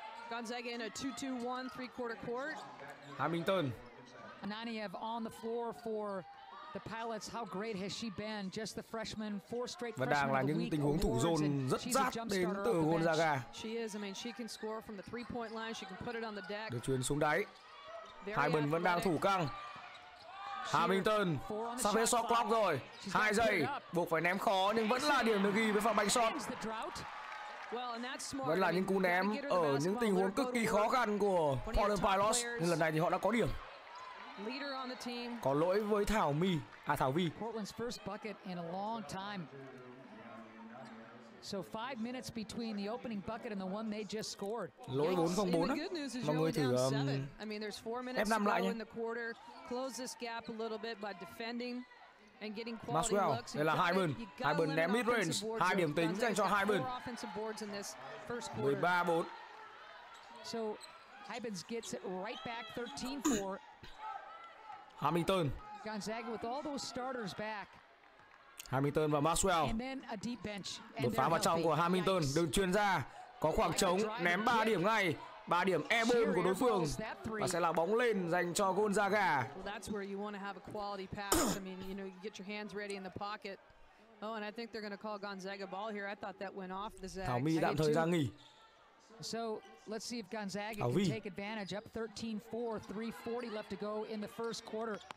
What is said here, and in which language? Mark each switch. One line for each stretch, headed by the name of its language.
English: Gonzaga in a 2-2-1 three-quarter court. Hamilton. Ananiev on the floor for the Pilots. How great has she been? Just the freshman, four straight freshman of the week. She is. I mean, she can score from the three-point line. She can put it on the deck.
Vietnamese: Được truyền xuống đáy. Hai bên vẫn đang thủ căng. Hamilton sắp hết shot clock rồi. 2 giây. Buộc phải ném khó nhưng vẫn là điểm được ghi với pha bánh shot.
English: Well, and that's smart.
Vietnamese: Vẫn là những cú ném ở những tình huống cực kỳ khó khăn của Portland Pilots. Nhưng lần này thì họ đã có điểm.
English: Leader on the team.
Vietnamese: Có lỗi với Thảo My. À Thảo Vy.
English: Portland's first bucket in a long time. So 5 minutes between the opening bucket and the one they just scored.
Vietnamese: Lỗi 4 phòng 4 á. Mọi người thử F5 lại nhé.
English: Close this gap a little bit by defending and getting quality Maxwell, looks.
Vietnamese: Đây là hai bên. Hai bên ném mid range. Hai điểm tính dành cho hai bên.
English: 13-4. So Hybens gets it right back 13-4. Hamilton. Gonzaga with all those starters back.
Vietnamese: Hamilton và Maxwell.
English: And then a deep bench.
Vietnamese: Đột phá vào trong của Hamilton. Đường chuyền ra. Có khoảng trống. Ném 3 điểm ngay. 3 điểm airborne của đối phương. Và sẽ là bóng lên dành cho Gonzaga.
English: Well, that's where you want to have a quality pass. I mean, you know, you get your hands ready in the pocket. Oh, and I think they're going to call Gonzaga ball here. I thought that went off the Zags.
Vietnamese: Thảo My tạm thời ra nghỉ.
English: So let's see if Gonzaga can take advantage. Up 13-4, 3:40 left to go in the first quarter.